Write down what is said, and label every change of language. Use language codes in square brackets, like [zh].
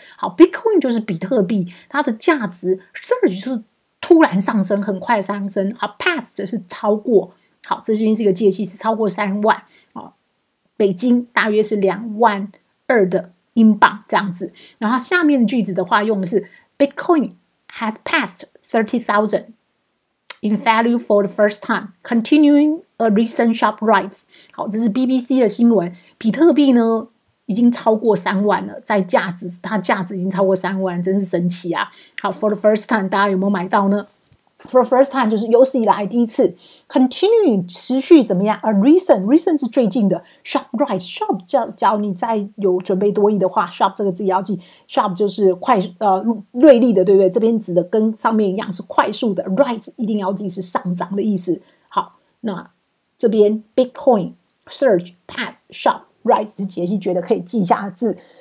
[zh] 好 ，Bitcoin 就是比特币，它的价值 surge 就是突然上升，很快上升。好 ，past 是超过，好，这边是一个介系，是超过3万啊、哦，北京大约是22,000的英镑这样子。然后下面的句子的话用的是 [en] Bitcoin has passed 30,000。 In value for the first time, continuing a recent sharp rise. [zh] 好，这是 BBC 的新闻。比特币呢，已经超过30,000了，在价值，它价值已经超过30,000，真是神奇啊！好 ， [en] for the first time， [zh] 大家有没有买到呢 ？For the first time 就是有史以来第一次。 Continuing 持续怎么样 ？ [en] A recent [zh] 是最近的 [en] sharp rise. [zh] Sharp 叫你再有准备多一的话 ，sharp 这个字要记。 Sharp 就是快锐利的，对不对？这边指的跟上面一样是快速的 rise， 一定要记是上涨的意思。好，那这边 [en] Bitcoin surge pass sharp rise [zh] 是杰西觉得可以记一下的字。